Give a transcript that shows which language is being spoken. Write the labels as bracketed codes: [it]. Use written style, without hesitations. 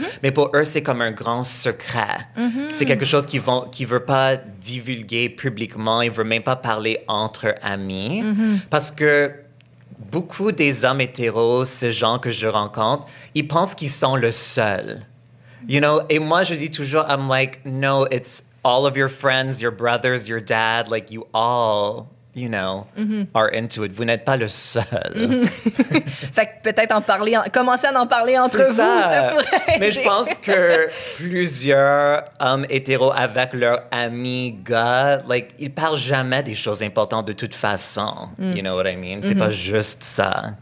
[fr] Mais pour eux, c'est comme un grand secret. C'est quelque chose qu'ils vont, qu'ils veulent pas divulguer publiquement. Ils veulent même pas parler entre amis. Parce que beaucoup des hommes hétéros, ces gens que je rencontre, ils pensent qu'ils sont le seul. [en] You know? [fr] Et moi, je dis toujours, [en] I'm like, no, it's all of your friends, your brothers, your dad, like you all... You know, are into it. [fr] Vous n'êtes pas le seul. Fait que peut-être en parler, commencer à en parler entre c'est vous, ça pourrait. Mais je pense que plusieurs hommes hétéros avec leurs amis gars, like, ils parlent jamais des choses importantes de toute façon. [en] You know what I mean? [fr] C'est pas juste ça.